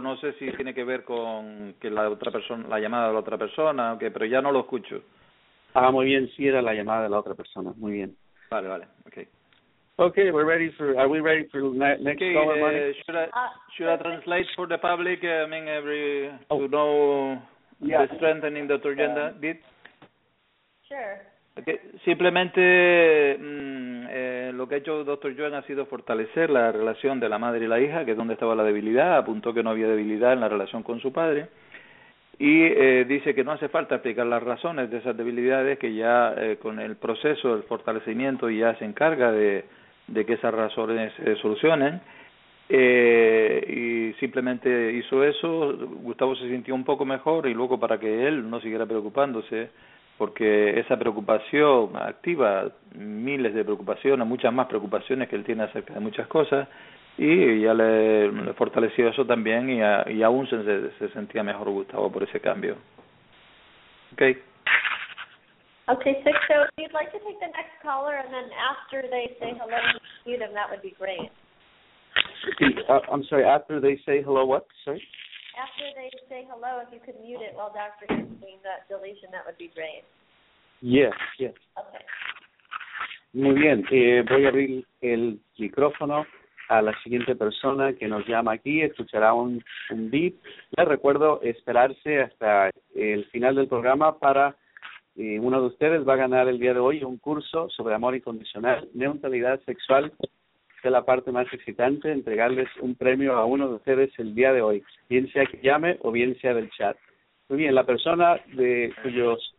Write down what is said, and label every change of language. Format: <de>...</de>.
<es>No sé si tiene que ver con que la otra persona, la llamada de la otra persona, okay, pero ya no lo escucho. Ah, muy bien, sí, era la llamada de la otra persona, muy bien. Vale, okay.</es> <en>Okay, we're ready for, are we ready for next okay, caller, Monica? Should I translate for the public, I mean, to know the strengthening the agenda bit? Sure.</en> <es>Okay, simplemente lo que ha hecho el doctor Joan ha sido fortalecer la relación de la madre y la hija, que es donde estaba la debilidad, apuntó que no había debilidad en la relación con su padre, y dice que no hace falta explicar las razones de esas debilidades, que ya con el proceso, el fortalecimiento, ya se encarga de que esas razones se solucionen. Y simplemente hizo eso. Gustavo se sintió un poco mejor, y luego, para que él no siguiera preocupándose, porque esa preocupación activa miles de preocupaciones, muchas más preocupaciones que él tiene acerca de muchas cosas, y ya le fortaleció eso también, y aún se sentía mejor Gustavo por ese cambio.</es> <en>Okay, Sixto, if you'd like to take the next caller, and then after they say hello to them, that would be great. I'm sorry, after they say hello what? Sorry? After they say hello, if you could mute it while Dr. is doing that deletion, that would be great. Yes.</en> <es>Okay. Muy bien, voy a abrir el micrófono a la siguiente persona que nos llama aquí, escuchará un beep. Les recuerdo esperarse hasta el final del programa para uno de ustedes va a ganar el día de hoy un curso sobre amor incondicional, neutralidad sexual, que es la parte más excitante, entregarles un premio a uno de ustedes el día de hoy, bien sea que llame o bien sea del chat. Muy bien, la persona de cuyos</es>